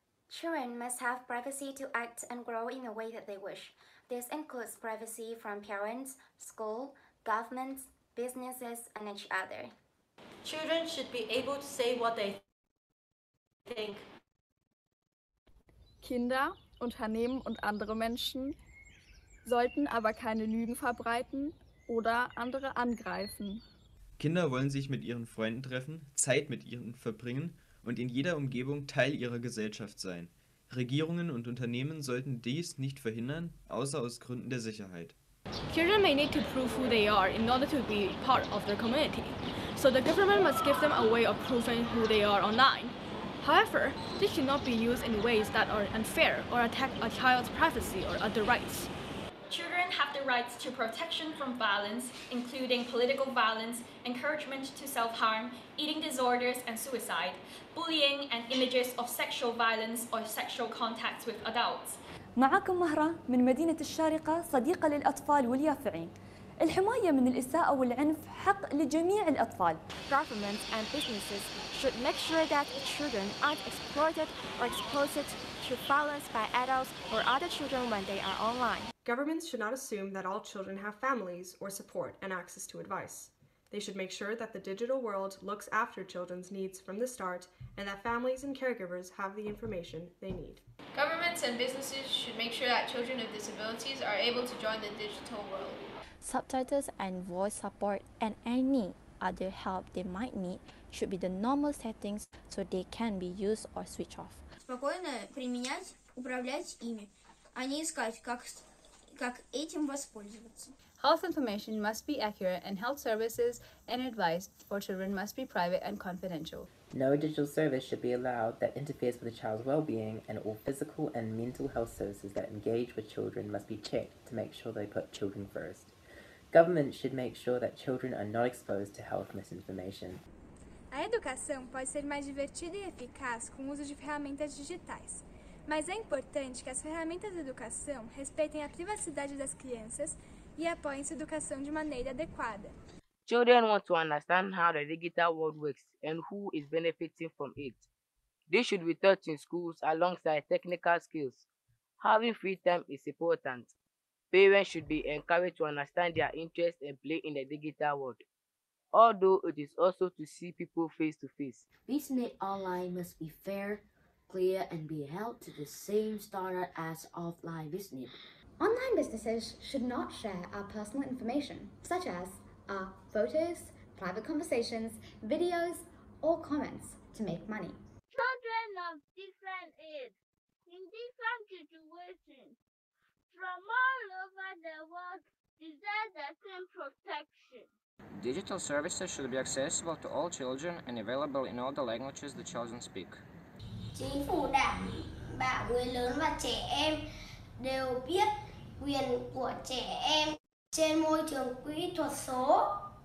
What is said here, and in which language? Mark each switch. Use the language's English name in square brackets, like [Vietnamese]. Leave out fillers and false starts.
[English] Children must have privacy to act and grow in the way that they wish. This includes privacy from parents, school, governments, businesses, and each other. Children should be able to say what they think. [German] Kinder, Unternehmen und andere Menschen sollten aber keine Lügen verbreiten oder andere angreifen. Kinder wollen sich mit ihren Freunden treffen, Zeit mit ihnen verbringen und in jeder Umgebung Teil ihrer Gesellschaft sein. Regierungen und Unternehmen sollten dies nicht verhindern, außer aus Gründen der Sicherheit. [English] Children may need to prove who they are in order to be part of their community. So the government must give them a way of proving who they are online. However, this should not be used in ways that are unfair or attack a child's privacy or other rights. Children have the rights to protection from violence, including political violence, encouragement to self-harm, eating disorders and suicide, bullying and images of sexual violence or sexual contacts with adults. [Arabic] معكم مهرة من مدينة الشارقة صديقة للأطفال واليافعين. الحماية من الإساءة والعنف حق لجميع الأطفال. [English] Governments and businesses should make sure that children aren't exploited or exposed to violence by adults or other children when they are online. Governments should not assume that all children have families or support and access to advice. They should make sure that the digital world looks after children's needs from the start and that families and caregivers have the information they need. Governments and businesses should make sure that children with disabilities are able to join the digital world. Subtitles and voice support and any other help they might need should be the normal settings so they can be used or switched off. [Russian] Спокойно применять, управлять ими, а не искать, как этим воспользоваться. [English] Health information must be accurate and health services and advice for children must be private and confidential. No digital service should be allowed that interferes with a child's well-being, and all physical and mental health services that engage with children must be checked to make sure they put children first. Government should make sure that children are not exposed to health misinformation. [Portuguese] A educação pode ser mais divertida e eficaz com o uso de ferramentas digitais, mas é importante que as ferramentas de educação respeitem a privacidade das crianças e apoiem sua educação de maneira adequada. [English] Children want to understand how the digital world works and who is benefiting from it. This should be taught in schools alongside technical skills. Having free time is important. Parents should be encouraged to understand their interests and play in the digital world, although it is also to see people face to face. Business online must be fair, clear, and be held to the same standard as offline business. Online businesses should not share our personal information, such as our photos, private conversations, videos, or comments to make money. Children of different ages, in different situations, from all over the world, deserve the same protection. Digital services should be accessible to all children and available in all the languages the children speak. [Vietnamese] Chính phủ đảm bảo người lớn và trẻ em đều biết quyền của trẻ em trên môi trường kỹ thuật số.